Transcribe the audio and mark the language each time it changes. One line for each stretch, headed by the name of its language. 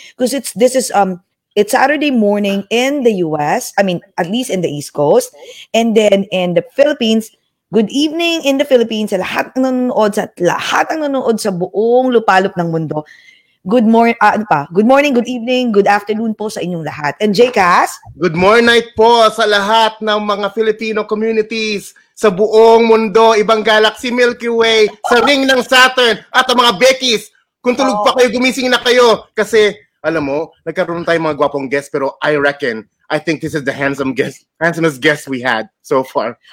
English: Because it's Saturday morning in the U.S. I mean, at least in the East Coast. And then, in the Philippines. Good evening in the Philippines.
Filipino: Sa lahat ng nanonood, sa lahat ng nanonood sa buong lupalop ng mundo.
English: Good morning,
Filipino: ano pa?
English: Good morning, good evening, good afternoon
Filipino: po sa inyong lahat.
English: And JCast? Good morning
Filipino: po sa lahat ng mga Filipino communities sa buong mundo, ibang galaxy, Milky Way, sa ring ng Saturn, at ang mga Beckys. Kung tulog pa kayo, gumising na kayo. Kasi, alam mo, nagkaroon tayong mga gwapong guests, pero
English: I think this is the handsomest guest we had so far.